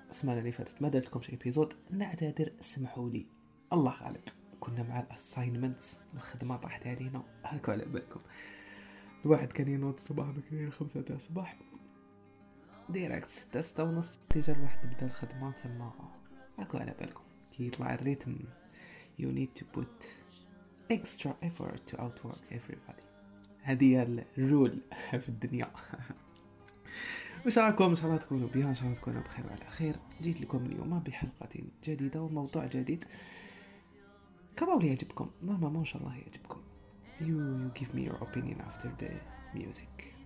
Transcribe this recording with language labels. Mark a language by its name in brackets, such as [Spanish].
[Arabic] السمانه اللي فاتت ما درت لكم شي ابيزود، نعتذر اسمحوا لي، الله غالب كنا مع الاساينمنتس، الخدمه طاحت علينا هكا على بالكم. الواحد كان ينوض صباح بكير 5 تاع الصباح ديريكت 6 ونص ديجا الواحد بدا الخدمه، تما هكا على بالكم كي يطلع الريتم. [English] You need to put extra effort to outwork everybody. [Arabic] هذه هي الرول في الدنيا. وش راكم؟ ان شاء الله تكونوا بها، ان شاء الله تكونوا بخير وعلى خير. جيت لكم اليوم بحلقه جديده وموضوع جديد كبالي يعجبكم، نورمال ان شاء الله يعجبكم. [English] You give me your opinion after the music.